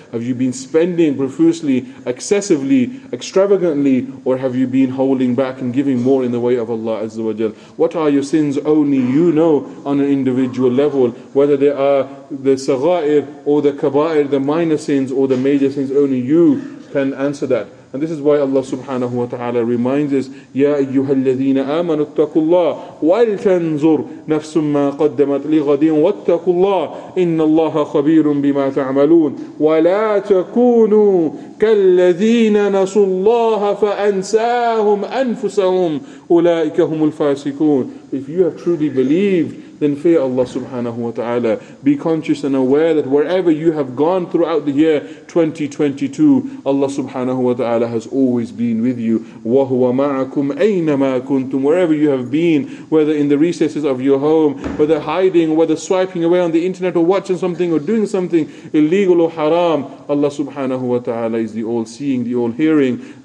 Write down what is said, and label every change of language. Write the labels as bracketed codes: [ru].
[en] Have you been spending profusely, excessively, extravagantly, or have you been holding back and giving more in the way of Allah Azza wa Jal? What are your sins? Only you know on an individual level, whether they are the saghair or the kabair, the minor sins or the major sins. Only you can answer that. And this is why Allah subhanahu wa ta'ala reminds us, [ar] يَا أَيُّهَا الَّذِينَ آمَنُوا اتَّقُوا اللَّهِ وَلْتَنْظُرْ نَفْسٌ مَّا قَدَّمَتْ لِغَدٍ وَاتَّقُوا اللَّهِ إِنَّ اللَّهَ خَبِيرٌ بِمَا تَعْمَلُونَ وَلَا تَكُونُوا كَالَّذِينَ نَسُوا اللَّهَ فَأَنْسَاهُمْ أَنفُسَهُمْ أُولَئِكَ هُمُ الْفَاسِقُونَ. [en] If you have truly believed, then fear Allah subhanahu wa ta'ala. Be conscious and aware that wherever you have gone throughout the year 2022, Allah subhanahu wa ta'ala has always been with you. [ar] وَهُوَ مَعَكُمْ أَيْنَمَا كُنْتُمْ. [en] Wherever you have been, whether in the recesses of your home, whether hiding, whether swiping away on the internet, or watching something, or doing something illegal or haram, Allah subhanahu wa ta'ala is the all-seeing, the all-hearing.